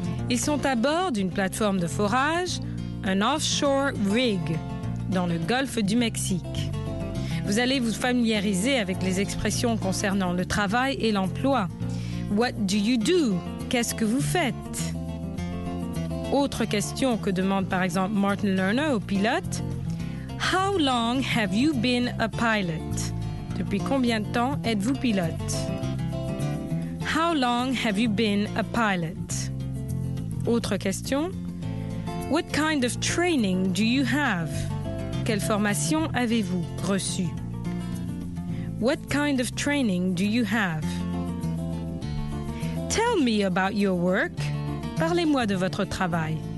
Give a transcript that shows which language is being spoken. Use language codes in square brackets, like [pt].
[fr] Ils sont à bord d'une plateforme de forage, un offshore rig, dans le golfe du Mexique. Vous allez vous familiariser avec les expressions concernant le travail et l'emploi. [en] What do you do? [fr] Qu'est-ce que vous faites? Autre question que demande par exemple Martin Lerner au pilote. [en] How long have you been a pilot? [fr] Depuis combien de temps êtes-vous pilote? [en] How long have you been a pilot? [fr] Autre question. [en] What kind of training do you have? [fr] Quelle formation avez-vous reçue? [en] What kind of training do you have? Tell me about your work. [fr] Parlez-moi de votre travail.